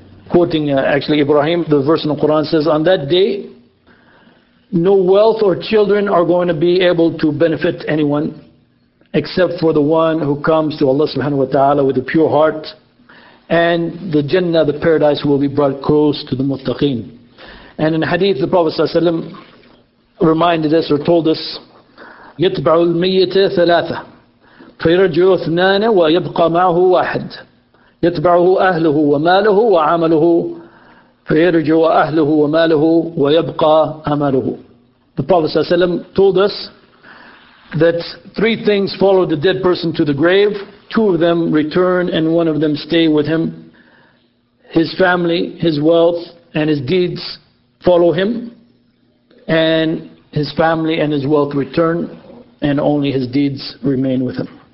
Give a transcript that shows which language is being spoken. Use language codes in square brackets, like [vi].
[en] Quoting actually Ibrahim, the verse in the Quran says, on that day, no wealth or children are going to be able to benefit anyone, except for the one who comes to Allah subhanahu wa ta'ala with a pure heart, and the Jannah, the paradise, will be brought close to the muttaqeen. And in hadith, the Prophet sallallahu alayhi wa sallam reminded us or told us, [ar] يَتْبَعُ الْمَيِّتَ ثَلَاثَةً فَيَرَجُعُ اثْنَانَ وَيَبْقَى مَعْهُ وَاحِدٌ يَتْبَعُهُ أَهْلُهُ وَمَالُهُ وَعَمَلُهُ فَيَرَجُعُ أَهْلُهُ وَمَالُهُ وَيَبْقَى أَمَلُهُ. [en] The Prophet sallallahu alayhi wa sallam told us that three things follow the dead person to the grave. Two of them return and one of them stay with him. His family, his wealth, and his deeds follow him. And his family and his wealth return, and only his deeds remain with him.